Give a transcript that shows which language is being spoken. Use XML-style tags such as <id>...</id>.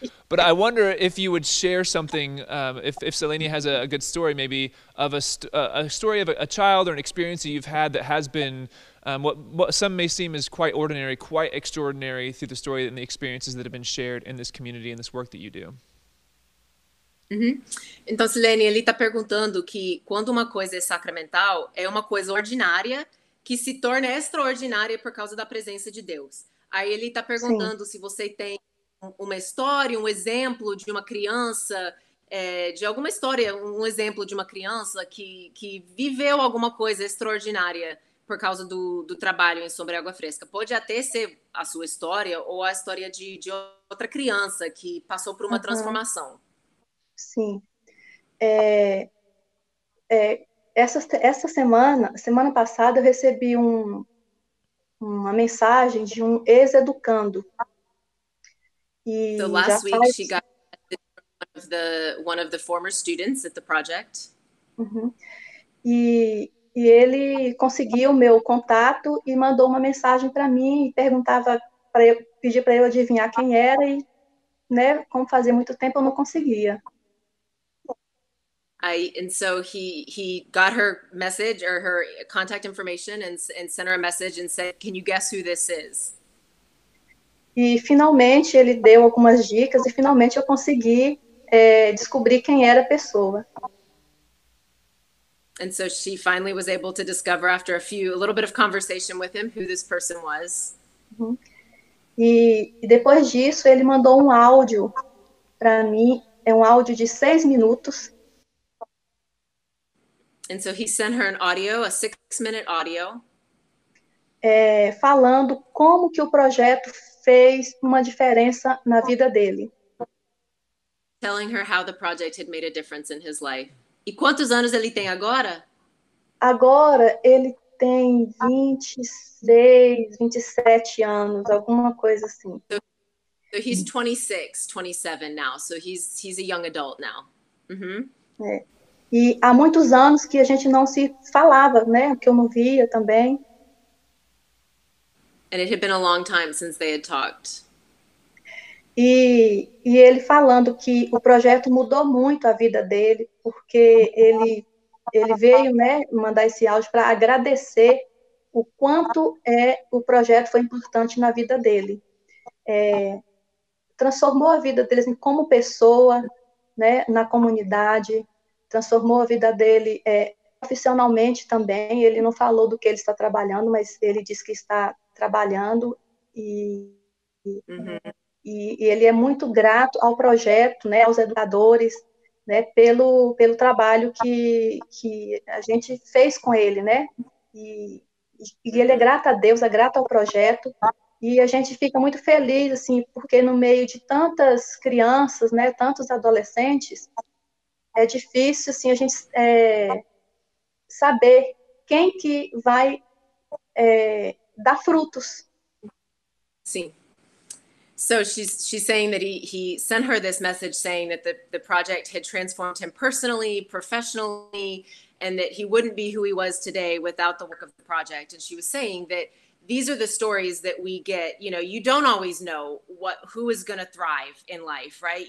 <en>But I wonder if you would share something, if Selenia has a good story maybe of a story of a child or an experience that you've had that has been what some may seem is quite ordinary, quite extraordinary through the story and the experiences that have been shared in this community and this work that you do.</en> <pt>Então, Silene, ele está perguntando que quando uma coisa é sacramental, é uma coisa ordinária que se torna extraordinária por causa da presença de Deus. Aí ele está Sim. perguntando se você tem uma história, um exemplo de uma criança, de alguma história, um exemplo de uma criança que viveu alguma coisa extraordinária por causa do trabalho em Sombra e Água Fresca. Pode até ser a sua história ou a história de outra criança que passou por uma transformação. Sim. Essa semana passada, eu recebi uma mensagem de um ex-educando.</pt> <en>So</en> <pt>E já</pt> <en>last week she</en> <pt>faz.</pt> <en>got one of the former students at the project.</en> <pt>E ele conseguiu o meu contato e mandou uma mensagem para mim e perguntava para eu pedir para eu adivinhar quem era e, né, como fazia muito tempo eu não conseguia.</pt> <en>And so he got her message or her contact information and sent her a message and said, "Can you guess who this is?"</en> <pt>E finalmente ele deu algumas dicas e finalmente eu consegui descobrir quem era a pessoa.</pt> <en>And so she finally was able to discover after a little bit of conversation with him who this person was.</en> <pt>E depois disso ele mandou um áudio para mim, é um áudio de 6 minutos.</pt> <en>And so he sent her an audio, a 6-minute audio.</en> <pt>Falando como que o projeto fez uma diferença na vida dele.</pt> <en>Telling her how the project had made a difference in his life.</en> <pt>E quantos anos ele tem agora? Agora ele tem 26, 27 anos, alguma coisa assim.</pt> <en>So he's 26, 27 now. So he's a young adult now.</en> <pt>E há muitos anos que a gente não se falava, né? Que eu não via também.</pt> <en>And it had been a long time since they had talked.</en> <pt>E ele falando que o projeto mudou muito a vida dele, porque ele veio, né, mandar esse áudio para agradecer o quanto o projeto foi importante na vida dele. Transformou a vida dele como pessoa, né, na comunidade, transformou a vida dele profissionalmente também. Ele não falou do que ele está trabalhando, mas ele disse que está trabalhando e ele é muito grato ao projeto, né, aos educadores, né, pelo trabalho que a gente fez com ele, né? E ele é grato a Deus, é grato ao projeto, e a gente fica muito feliz assim, porque no meio de tantas crianças, né, tantos adolescentes, é difícil assim a gente saber quem que vai dar frutos. Sim.</pt> <en>So she's saying that he sent her this message saying that the project had transformed him personally, professionally, and that he wouldn't be who he was today without the work of the project. And she was saying that these are the stories that we get. You don't always know who is going to thrive in life, right?</en>